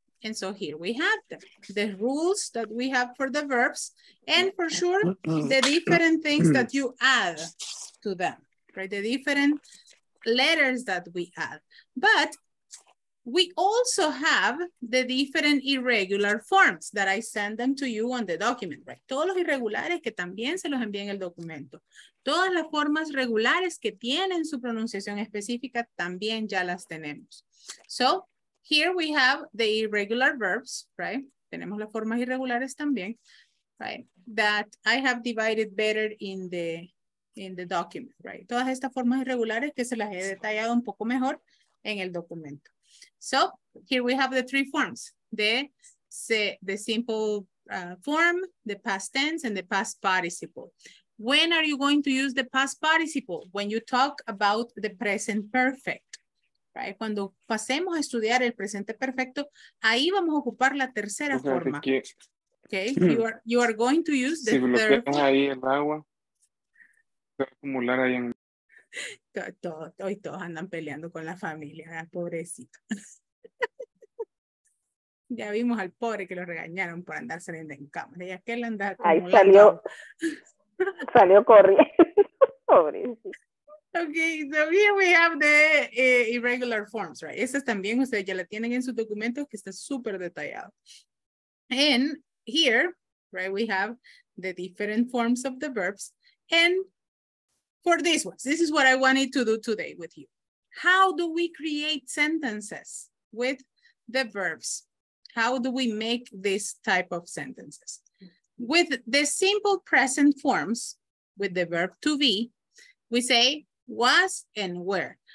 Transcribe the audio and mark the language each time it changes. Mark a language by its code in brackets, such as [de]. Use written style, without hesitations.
[en] And so here we have them, the rules that we have for the verbs, and for sure, the different things that you add to them, right? The different letters that we add. But we also have the different irregular forms that I send them to you on the document, right? [es] Todos los irregulares que también se los envié en el documento. Todas las formas regulares que tienen su pronunciación específica también ya las tenemos. [en] So, here we have the irregular verbs, right? [es] Tenemos las formas irregulares también, [en] right? That I have divided better in the document, right? [es] Todas estas formas irregulares que se las he detallado un poco mejor en el documento. [en] So, here we have the three forms. The simple form, the past tense, and the past participle. When are you going to use the past participle? When you talk about the present perfect, right? [es] Cuando pasemos a estudiar el presente perfecto, ahí vamos a ocupar la tercera forma. [en] Okay, you are going to use the third [es] form. Ahí el agua, acumular ahí en... Todos andan peleando con la familia, ¿verdad? Pobrecito. Ya vimos al pobre que lo regañaron por andar saliendo en cámara. Y aquel anda como ahí salió corriendo. Pobrecito. [en] Okay, so here we have the irregular forms, right? [es] Esas también ustedes ya la tienen en sus documentos que está súper detallado. [en] And here, right, we have the different forms of the verbs. And for these ones, this is what I wanted to do today with you. How do we create sentences with the verbs? How do we make this type of sentences? With the simple present forms, with the verb to be, we say was and were.